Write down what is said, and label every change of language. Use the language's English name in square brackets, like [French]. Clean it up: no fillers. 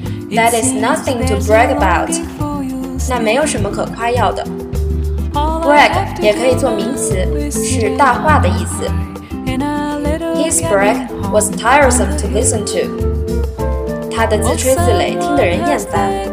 [English] That is nothing to brag about. [Chinese] 那没有什么可夸耀的。 Brag 也可以做名词，是大话的意思。 [English] His brag was tiresome to listen to. [Chinese] 他的自吹自擂听得人厌烦。